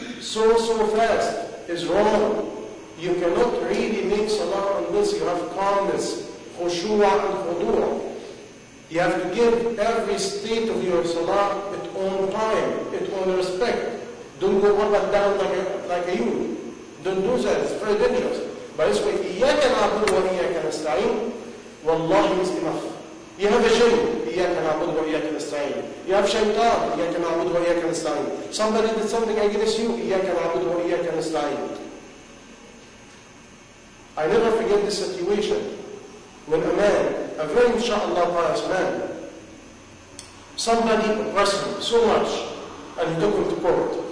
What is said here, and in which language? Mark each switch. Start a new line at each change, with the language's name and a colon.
English: So fast. It's wrong. You cannot really make salah unless you have calmness, khushu'a and khudu'a. You have to give every state of your salah its own time, its own respect. Don't go up and down like a youth. Don't do that, it's very dangerous. By this way,
Arabic: إِيَّاكَ نَعْبُدُ وَإِيَّاكَ نَسْتَعِينَ وَاللَّهِ
English: is enough. You have a shaykh,
Arabic: إِيَّاكَ نَعْبُدُ وَإِيَّاكَ نَسْتَعِينَ.
English: You have shaytan, إِيَّاكَ نَعْبُدُ وَإِيَّاكَ نَسْتَعِينَ. Somebody did something against you,
Arabic: إِيَّاكَ نَعْبُدُ وَإِيَّاكَ نَسْتَعِينَ.
English: I never forget this situation when a man, a very inshallah pious man, somebody oppressed him so much and he took him to court.